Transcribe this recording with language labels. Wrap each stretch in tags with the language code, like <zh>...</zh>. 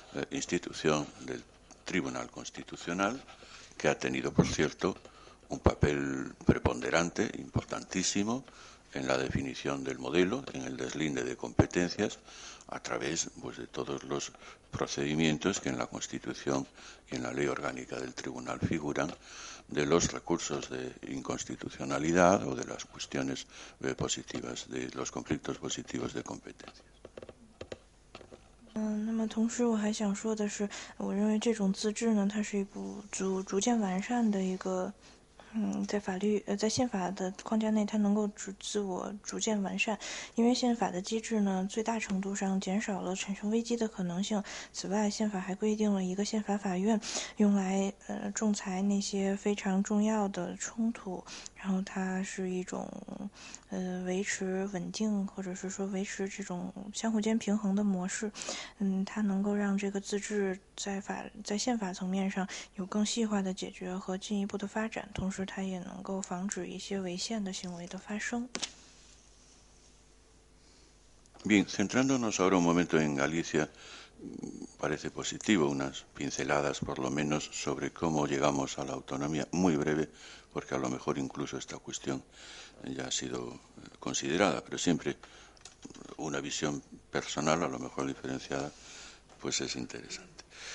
<es>institución del Tribunal Constitucional, que ha tenido, por cierto, un papel preponderante, importantísimo, en la definición del modelo, en el deslinde de competencias, a través pues, de todos los procedimientos que en la Constitución y en la Ley Orgánica del Tribunal figuran, de los recursos de inconstitucionalidad o de las cuestiones positivas, de los conflictos positivos de competencias.</es> <zh>那么同时我还想说的是，我认为这种自治呢，它是一部逐渐完善的一个。在法律在宪法的框架内，它能够自我逐渐完善，因为宪法的机制呢，最大程度上减少了产生危机的可能性。此外，宪法还规定了一个宪法法院，用来仲裁那些非常重要的冲突。然后，它是一种维持稳定，或者是说维持这种相互间平衡的模式。它能够让这个自治在宪法层面上有更细化的解决和进一步的发展。同时，它也能够防止一些违宪的行为的发生。</zh> <es>Bien, centrándonos ahora un momento en Galicia, parece positivo unas pinceladas, por lo menos, sobre cómo llegamos a la autonomía, muy breve, porque a lo mejor incluso esta cuestión ya ha sido considerada, pero siempre una visión personal, a lo mejor diferenciada, pues es interesante.</es>